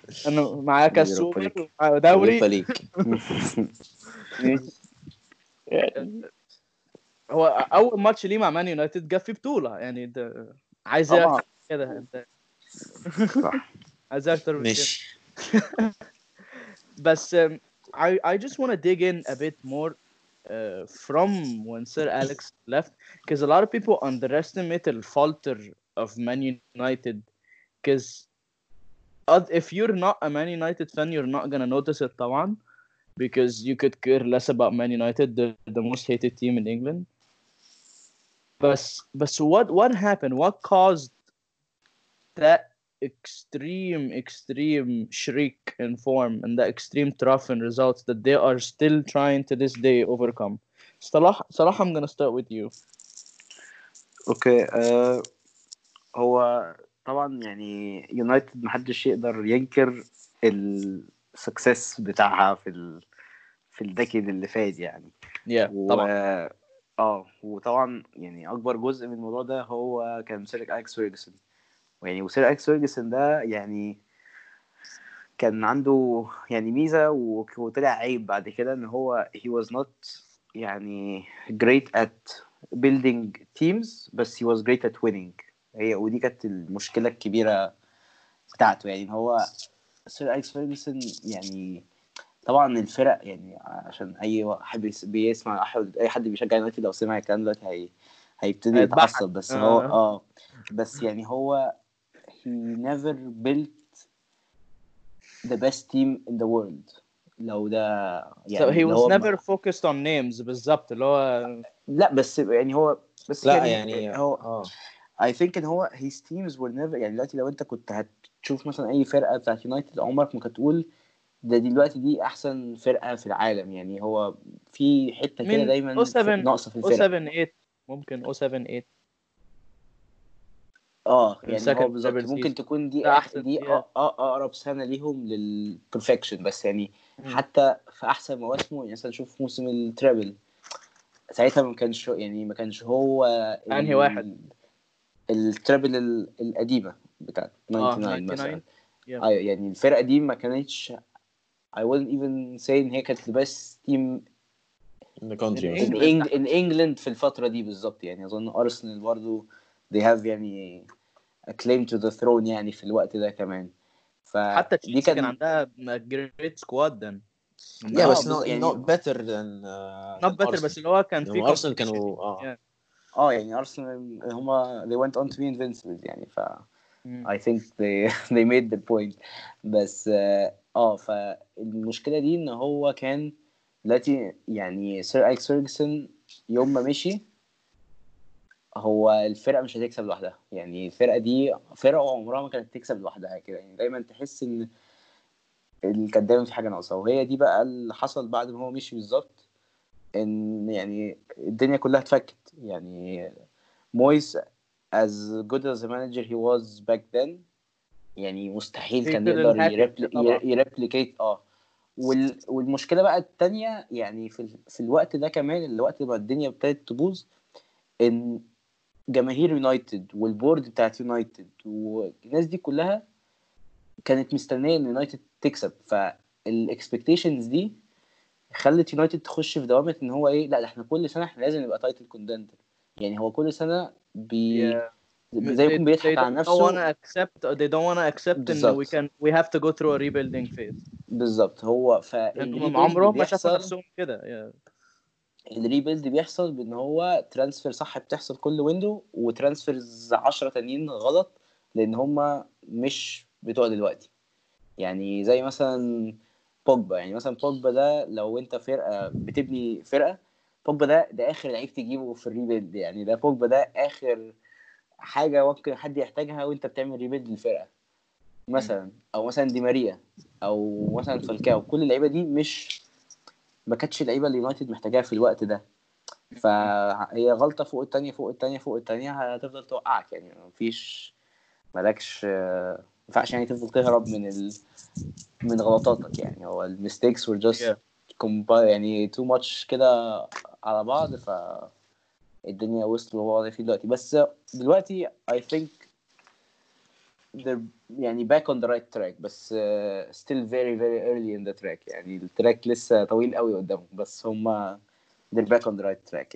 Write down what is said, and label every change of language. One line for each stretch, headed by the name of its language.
Arabic: انا معايا كاس سوبر ودوري فليك هو أول ماتش ليه مع مان يونايتد جاب فيه بطولة يعني عايز يعمل كده أنت عايز أكتر مش
English: بس I just want to dig in a bit more from when Sir Alex left because a lot of people underestimate the falter of Man United because if you're not a Man United fan you're not gonna notice it
Arabic: طبعا
English: because you could care less about Man United the most hated team in England But what happened? What caused that extreme shriek in form and that extreme trough in results that they are still trying to this day overcome? Salah, I'm gonna start with you. Okay.
Arabic: هو طبعا يعني United محدش يقدر ينكر السكسس بتاعها في ال في الدكيد اللي فات يعني. وطبعا يعني اكبر جزء من الموضوع ده هو كان سير أليكس فيرجسون. يعني وسير أليكس فيرجسون ده يعني كان عنده يعني ميزة وطلع عيب بعد كده, ان هو
English: he was not
Arabic: يعني
English: great at building teams,
Arabic: بس
English: he was great at winning.
Arabic: هي ودي كانت المشكلة الكبيرة بتاعته. يعني هو سير أليكس فيرجسون يعني طبعا الفرق يعني عشان اي واحد بيسمع اي حد بيشجع يونايتد لو سمع الكلام ده هيبتدي يتعصب, بس هو بس يعني هو
English: he never built the best team in the world.
Arabic: لو ده يعني
English: so he was never focused on names
Arabic: بالظبط اللي هو لا بس يعني هو بس لا يعني هو
English: I think
Arabic: ان هو
English: his teams were never
Arabic: يعني دلوقتي لو انت كنت هتشوف مثلا اي فرقه بتاعت يونايتد عمرك ما كنت تقول ده دلوقتي دي احسن فرقه في العالم. يعني هو في حته كده دايما ناقصه في الفرقه 78 ممكن 78 يعني هو بالظبط ممكن تكون دي احسن دي اقرب سنه ليهم للبرفكشن. بس يعني حتى في احسن مواسمه يعني مثلا شوف موسم التريبل ساعتها ما كانش يعني ما كانش هو انهي واحد التريبل القديمه بتاعت 99 مثلا يعني الفرقه دي ما كانتش
English: I wouldn't even say
Arabic: إن هي كانت
English: the best team in the country
Arabic: in England في الفترة دي بالضبط. يعني أظن أرسنال برضو
English: they have
Arabic: يعني
English: a claim to the throne
Arabic: يعني في الوقت ده كمان. حتى تشيلسي كان عندها
English: great squad then. Yeah, but not better than not better
Arabic: بس اللي هو كان في أرسنال كانوا يعني أرسنال هما
English: they went on to be invincible
Arabic: يعني ف
English: I think they made the point.
Arabic: بس فالمشكلة دي ان هو كان التي يعني سير أليكس فيرجسون يوم ما مشي هو الفرقة مش هتكسب لوحدها. يعني الفرقة دي فرقة عمرها ما كانت تكسب لوحدها كده. يعني دايما تحس ان الكدام في حاجة ناقصة, وهي دي بقى اللي حصل بعد ما هو مشي بالظبط. ان يعني الدنيا كلها اتفكت. يعني مويس
English: as good as a manager he was back then
Arabic: يعني مستحيل كان يقدر يريبليكيت والمشكله بقى التانية يعني في الوقت ده كمان الوقت ما الدنيا ابتدت تبوظ ان جماهير يونايتد والبورد بتاعت يونايتد والناس دي كلها كانت مستنيه ان يونايتد تكسب. فالاكسبكتيشنز دي خلت يونايتد تخش في دوامه ان هو ايه, لا ده احنا كل سنه احنا لازم نبقى تايتل كونتندر. يعني هو كل سنه زي يكون بيضحك على نفسه.
English: They don't want to accept
Arabic: ان
English: we have to go through a rebuilding phase.
Arabic: بالظبط هو عمره ما شاف نفسهم كده. الريبيلد بيحصل بان هو ترانسفير صح بتحصل كل ويندو, وترانسفيرز 10 تانيين غلط لان هما مش بتوع دلوقتي. يعني زي مثلا بوجبا. يعني مثلا بوجبا ده لو انت فرقه بتبني فرقه بوجبا ده اخر لعيب تجيبه في الريبيلد. يعني ده بوجبا ده اخر حاجة ممكن حد يحتاجها وانت بتعمل ريبيلد للفرقة مثلا, او مثلا دي ماريا او مثلا فالكاو. كل اللعيبة دي مش ما كانتش اللعيبة اللي يونايتد محتاجها في الوقت ده. فهي غلطة فوق التانية فوق التانية فوق التانية هتفضل توقعك. يعني مفيش مالكش مفعش يعني تفضل تهرب من من غلطاتك. يعني هو المستيكس
English: were just
Arabic: يعني
English: too much
Arabic: كده على بعض فالدنيا وصل وهو واضح فيه دلوقتي. بس دلوقتي
English: I think they're
Arabic: يعني
English: back on the right track,
Arabic: بس
English: still very very early in the track.
Arabic: يعني التراك لسه طويل قوي قدامهم, بس هما
English: they're back on the right track.